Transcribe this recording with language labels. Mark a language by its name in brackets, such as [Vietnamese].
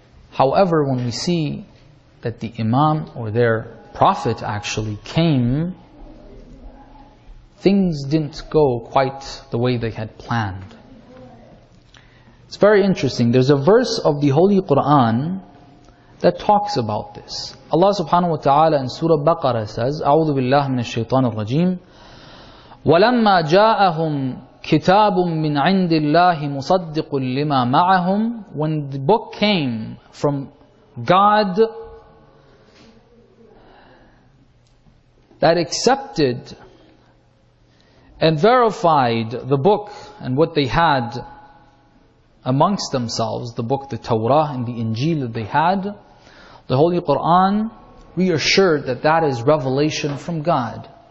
[English] However, when we see that the Imam, or their prophet, actually came, things didn't go quite the way they had planned. It's very interesting. There's a verse of the Holy Quran that talks about this. Allah subhanahu wa ta'ala in Surah Baqarah says, [Arabic] أعوذ بالله من الشيطان الرجيم وَلَمَّا جَاءَهُمْ كِتَابٌ مِّنْ عِنْدِ اللَّهِ مُصَدِّقٌ لِمَا مَعَهُمْ. [English] When the book came from God that accepted and verified the book and what they had amongst themselves, the book, the Torah and the Injil that they had, the Holy Quran reassured that that is revelation from God.